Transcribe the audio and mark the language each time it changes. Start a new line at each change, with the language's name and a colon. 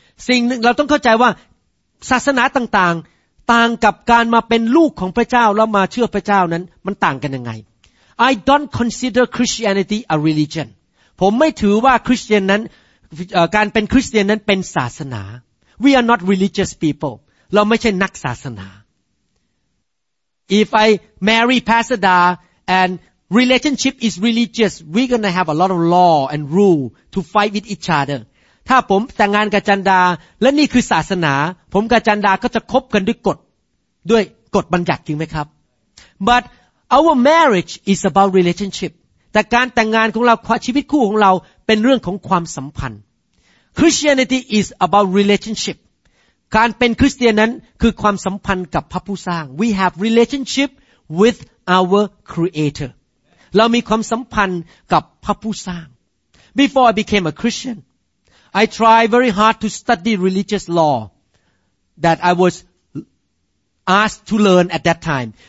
Thai: สิ่งหนึ่งเราต้องเข้าใจว่าศาสนาต่างๆต่างกับการมาเป็นลูกของพระเจ้าแล้วมาเชื่อพระเจ้านั้นมันต่างกันยังไง
English: I don't consider Christianity a religion.
Thai: ผมไม่ถือว่าคริสเตียนนั้นการเป็นคริสเตียนนั้นเป็นศาสนา
English: We are not religious people.
Thai: เราไม่ใช่นักศาสนา
English: If I marry Pasada and relationship is religious, we're gonna have a lot of law and rule to fight with each other.
Thai: ถ้าผมแต่งงานกับจันดาและนี่คือศาสนาผมกับจันดาก็จะคบกันด้วยกฎด้วยกฎบัญญัติจริงไหมครับ
English: But our marriage is about relationship
Thai: แต่การแต่งงานของเราชีวิตคู่ของเราเป็นเรื่องของความสัมพันธ์
English: Christianity is about relationship
Thai: การเป็นคริสเตียนนั้นคือความสัมพันธ์กับพระผู้สร้าง
English: We have relationship with our creator
Thai: เรามีความสัมพันธ์กับพระผู้สร้าง
English: Before I became a ChristianI tried very hard to study religious law that I was asked to learn at that time.